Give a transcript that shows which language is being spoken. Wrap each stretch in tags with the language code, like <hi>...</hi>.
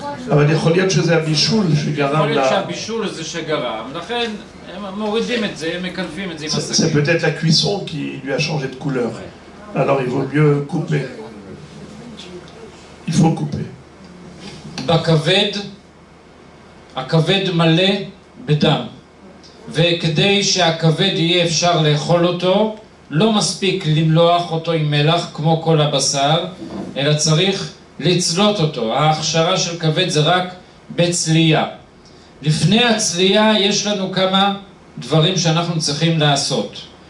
<he>אבל יכול להיות שזה הבישול שגרם יכול להיות שהבישול זה שגרם לכן הם מורידים את זה הם מקנפים את זה זה</he> <fr>peut-être la cuisson qui lui a changé de couleur alors il vaut mieux couper il faut couper</fr> <he>בכבד הכבד מלא בדם וכדי שהכבד יהיה אפשר לאכול אותו לא מספיק למלוח אותו עם מלח כמו כל הבשר, אלא צריך לצלות אותו. ההכשרה של כבד זה רק בצליה. לפני הצליה יש לנו כמה דברים שאנחנו צריכים לעשות.</he>